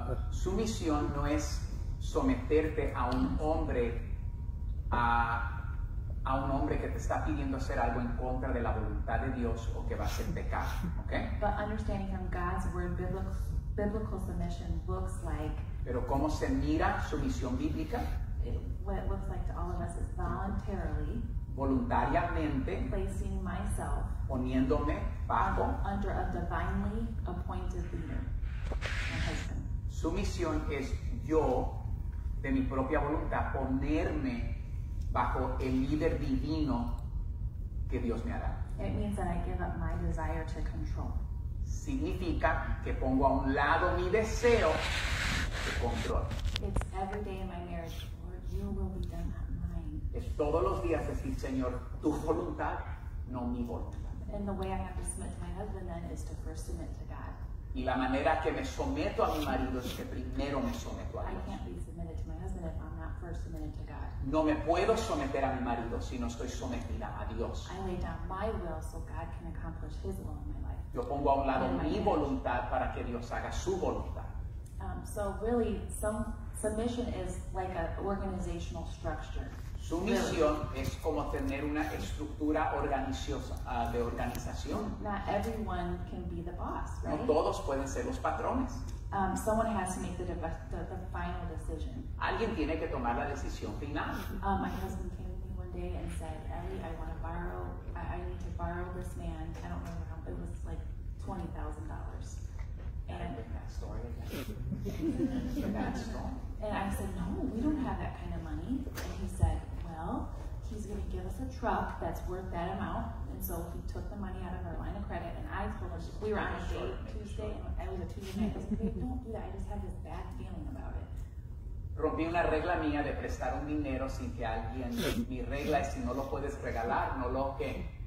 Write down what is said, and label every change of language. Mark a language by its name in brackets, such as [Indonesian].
[Spanish] Sumisión no es someterte a un hombre, a un hombre que te está pidiendo hacer algo en contra de la voluntad de Dios o que va a ser pecado, ¿okay? [English] But understanding how God's word, biblical submission looks like. [Spanish] Pero cómo se mira sumisión bíblica? [English] What it looks like to all of us is voluntarily, [Spanish] voluntariamente, [English] placing myself, [Spanish] poniéndome bajo, [English] under a divinely appointed leader. [Spanish] Sumisión es yo, de mi propia voluntad, ponerme bajo el líder divino que Dios me hará. [English] It means that I give up my desire to control. [Spanish] Significa que pongo a un lado mi deseo de control. [English] It's every day in my marriage, Lord, you will be done, not mine. [Spanish] Es todos los días decir, Señor, tu voluntad, no mi voluntad. [English] And the way I have to submit to my husband then is to first submit to God. [Spanish] Y la manera que me someto a mi marido es que primero me someto a Dios. [English] I can't be submitted to my husband if I'm not first submitted to God. [Spanish] No me puedo someter a mi marido si no estoy sometida a Dios. [English] I lay down my will so God can accomplish his will in my life. [Spanish] Yo pongo a un lado mi voluntad para que Dios haga su voluntad. [English] So really, submission is like an organizational structure. [Spanish] Sumisión es como tener una estructura de organización. [English] Not everyone can be the boss, right? [Spanish] No todos pueden ser los patrones. [English] Someone has to make the final decision. [Spanish] Alguien tiene que tomar la decisión final. [English] My husband came to me one day and said, Ellie, I need to borrow this man. I don't remember how, it was like $20,000. And that story again. That story. And I said, no, we don't have that kind of money. And he said, he's going to give us a truck that's worth that amount. And so he took the money out of our line of credit. And I told her, we were on a date Tuesday. I was a Tuesday night. I said, hey, don't do that. I just have this bad feeling about it. [Spanish] Rompí una regla mía de prestar un dinero sin que alguien. Mi regla es, si no lo puedes regalar, no lo que.